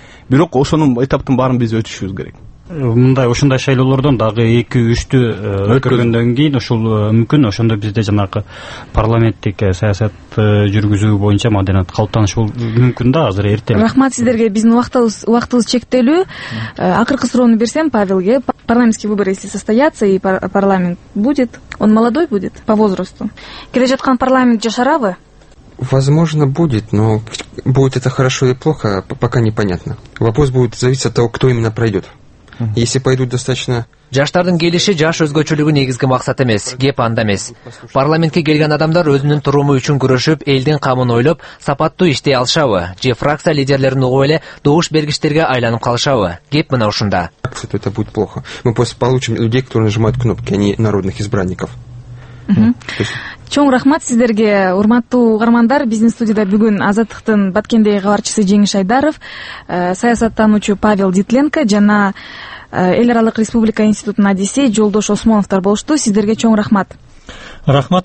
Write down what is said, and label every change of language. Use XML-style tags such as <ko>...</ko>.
<ky>Бирок ошонун этаптын баарын биз өтүшүбүз керек. Мындай ушундай шайлоолордон дагы 2-3 өткөргөндөн кийин ушул мүмкүн ошондо бизде жанагы парламенттик саясатты жүргүзүү боюнча маданият калыптанышы мүмкүн да, азыр эрте. Рахмат сиздерге, биздин убактыбыз чектелүү. Акыркы суроону берсем Павелге:</ky> <ru>парламентские выборы, если состоятся, и парламент будет, он молодой будет по возрасту,</ru> <ky>келе жаткан парламент жашарабы?</ky> <ru>Возможно, будет, но будет это хорошо или плохо, пока непонятно. Вопрос будет зависеть от того, кто именно пройдет. Если пойдут достаточно...</ru> <ky>Жаштардын келиши жаш өзгөчөлүгү негизги максат эмес, кеп анда эмес. Парламентке келген адамдар өзүнүн туруму үчүн күрөшүп, элдин камын ойлоп, сапаттуу иштей алышабы же фракция лидерлеринин угуп эле добуш бергичтерге айланып калышабы? Кеп мына ушунда.</ky> <ru>Это будет плохо. Мы просто получим людей, которые нажимают кнопки, а не народных избранников.</ru> <ky>Чоң рахмат сиздерге, урматтуу угармандар. Биздин студияда бүгүн Азаттыктын Баткендеги кабарчысы Жеңиш Айдаров, саясаттануучу Павел Дитленко жана Эл аралык Республика институтунун адиси Жолдош Осмоновтор болушту. Сиздерге чоң рахмат. Рахмат.</ky>